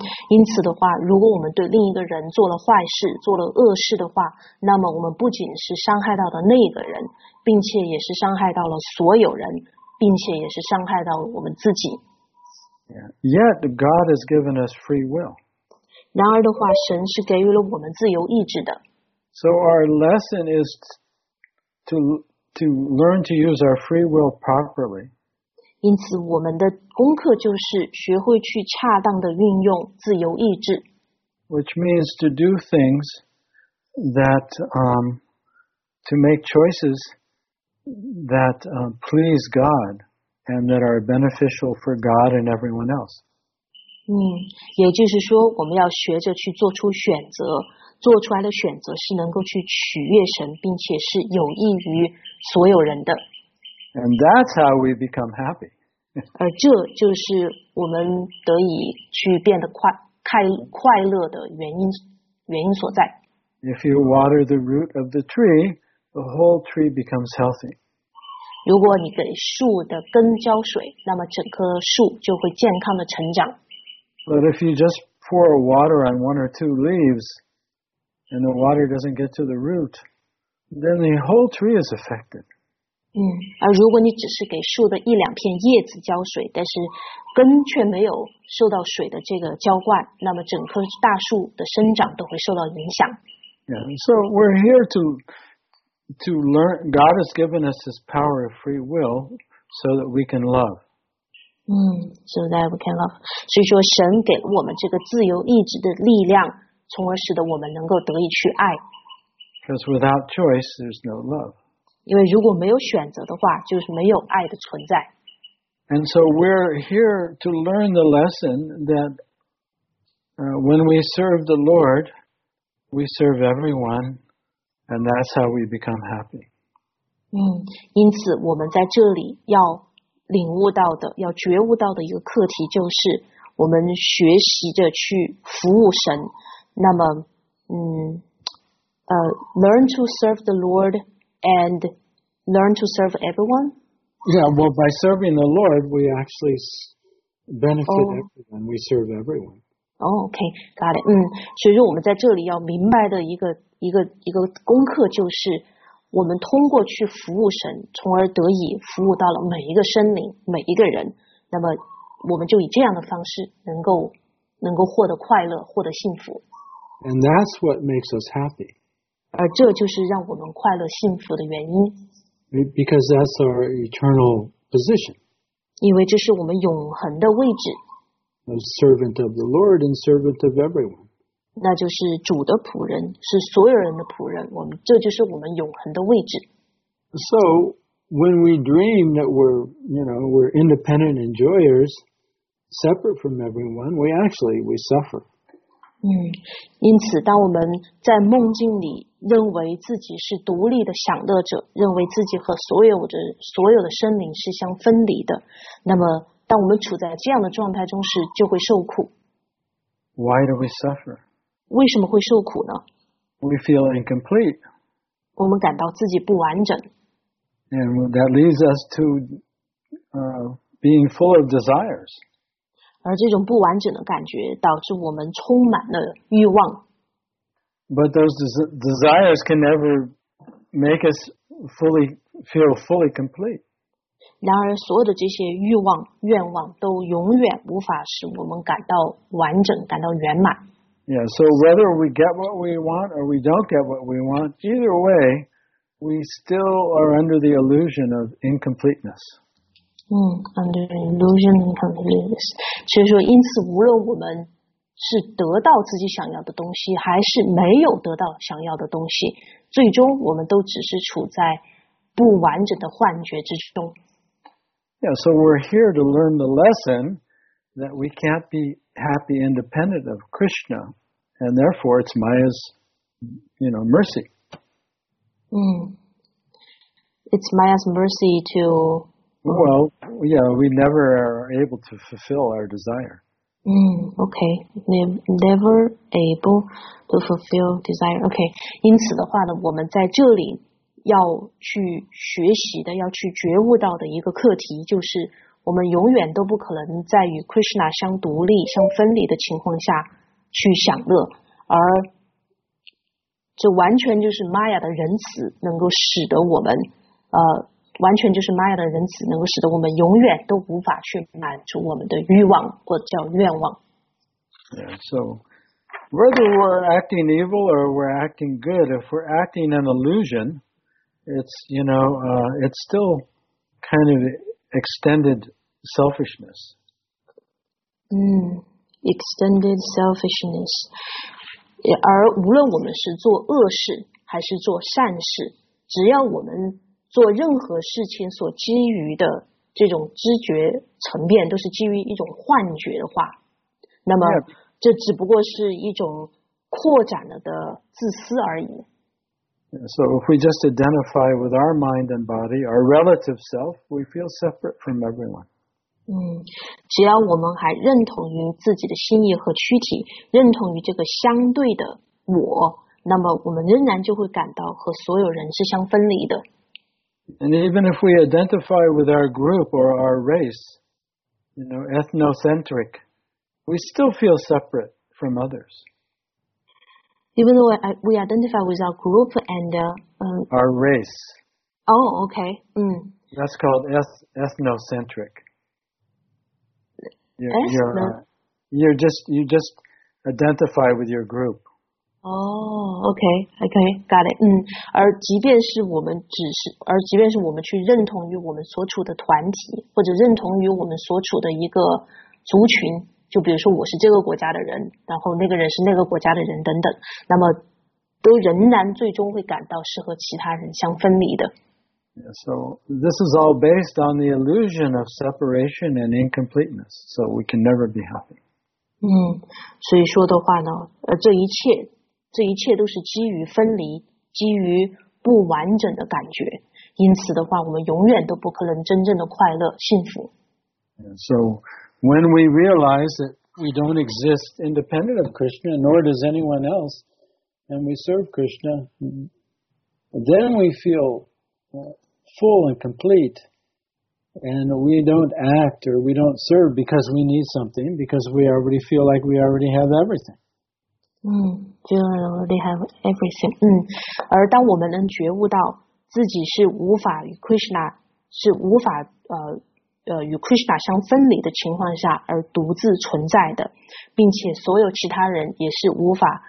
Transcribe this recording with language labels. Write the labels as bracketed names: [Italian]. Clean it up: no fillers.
[Chinese] 因此的话，如果我们对另一个人做了坏事，做了恶事的话，那么我们不仅是伤害到的那个人，并且也是伤害到了所有人，并且也是伤害到了我们自己。 [English] Yet God has given us free will. [Chinese] 然而的话，神是给予了我们自由意志的。 [English] So our lesson is to learn to use our free will properly. [Chinese] 因此我们的功课就是学会去恰当的运用自由意志。 [English] Which means to do things that, to make choices that, please God and that are beneficial for God and everyone else. [Chinese] 也就是说我们要学着去做出选择，做出来的选择是能够去取悦神，并且是有益于所有人的。 [English] And that's how we become happy. [Chinese] 而这就是我们得以去变得快乐的原因所在。 [English] If you water the root of the tree, the whole tree becomes healthy. [Chinese] 如果你给树的根浇水，那么整棵树就会健康的成长。 [English] But if you just pour water on one or two leaves, and the water doesn't get to the root, then the whole tree is affected. [Chinese] 而如果你只是给树的一两片叶子浇水，但是根却没有受到水的这个浇灌，那么整棵大树的生长都会受到影响。 [English] So we're here to learn. God has given us His power of free will so that we can love. So that we can love. [Chinese] 所以说，神给了我们这个自由意志的力量，从而使得我们能够得以去爱。 [English] Because without choice, there's no love. [Chinese] 因为如果没有选择的话，就是没有爱的存在。 [English] And so we're here to learn the lesson that when we serve the Lord, we serve everyone, and that's how we become happy. [Chinese] 因此我们在这里要领悟到的，要觉悟到的一个课题就是，我们学习着去服务神。那么， [English] learn to serve the Lord. And learn to serve everyone? Yeah, well, by serving the Lord, we actually benefit everyone. We serve everyone. Oh, okay, got it. [Chinese] 所以说我们在这里要明白的一个功课就是，我们通过去服务神，从而得以服务到了每一个生灵，每一个人。那么我们就以这样的方式能够获得快乐，获得幸福。 [English] And that's what makes us happy. [Chinese] 而这就是让我们快乐幸福的原因。 [English] Because that's our eternal position. [Chinese] 因为这是我们永恒的位置。 [English] A servant of the Lord and servant of everyone. [Chinese] 那就是主的仆人，是所有人的仆人。这就是我们永恒的位置。 [English] So, when we dream that we're, you know, we're independent enjoyers, separate from everyone, we actually, we suffer. [Chinese] 因此当我们在梦境里认为自己是独立的享乐者，认为自己和所有的生灵是相分离的，那么当我们处在这样的状态中时，就会受苦。 [English] Why do we suffer? [Chinese] 为什么会受苦呢？ [English] We feel incomplete. [Chinese] 我们感到自己不完整。 [English] And that leads us to being full of desires. [Chinese] 而这种不完整的感觉导致我们充满了欲望。 [English] But those desires can never make us feel fully complete. [Chinese] 然而所有的这些欲望、愿望都永远无法使我们感到完整、感到圆满。 [English] Yeah, so whether we get what we want or we don't get what we want, either way, we still are under the illusion of incompleteness. Under the illusion of incompleteness. [Chinese] 所以说因此无论我们是得到自己想要的东西还是没有得到想要的东西，最终我们都只是处在不完整的幻觉之中。 [English] Yeah, so we're here to learn the lesson that we can't be happy independent of Krishna, and therefore it's Maya's, you know, mercy. It's Maya's mercy to... Well, yeah, we never are able to fulfill our desire. Okay, never able to fulfill desire. [Chinese] Okay, 因此的话呢，我们在这里要去学习的，要去觉悟到的一个课题，就是我们永远都不可能在与 Krishna 相独立、相分离的情况下去享乐，而这完全就是 Maya 的仁慈能够使得我们，完全就是 Maya 的仁慈能够使得我们永远都无法去满足我们的欲望或者叫愿望。 [English] Yeah, so whether we're acting evil or we're acting good, if we're acting an illusion. It's, you know, it's still kind of extended selfishness. Extended selfishness. [Chinese] 而无论我们是做恶事还是做善事，只要我们做任何事情所基于的这种知觉层面都是基于一种幻觉的话，那么这只不过是一种扩展了的自私而已。 [English] So if we just identify with our mind and body, our relative self, we feel separate from everyone. [Chinese] 只要我们还认同于自己的心意和躯体，认同于这个相对的我，那么我们仍然就会感到和所有人是相分离的。 [English] And even if we identify with our group or our race, you know, ethnocentric, we still feel separate from others. Even though we identify with our group and... our race. Oh, okay. That's called ethnocentric. You just identify with your group. Oh, okay, got it. [Chinese] 而即便是我们去认同于我们所处的团体或者认同于我们所处的一个族群，就比如说我是这个国家的人，然后那个人是那个国家的人等等，那么都仍然最终会感到是和其他人相分离的。 [English] Yeah, so this is all based on the illusion of separation and incompleteness, so we can never be happy. [Chinese] 所以说的话呢，这一切都是基于分离，基于不完整的感觉，因此的话我们永远都不可能真正的快乐幸福。 [English] Yeah, so,When we realize that we don't exist independent of Krishna, nor does anyone else, and we serve Krishna, then we feel full and complete, and we don't act or we don't serve because we need something, because we already feel like we already have everything. Feel already have everything. [Chinese] 而当我们能觉悟到自己是无法与 Krishna, 是无法与 Krishna 相分离的情况下而独自存在的，并且所有其他人也是无法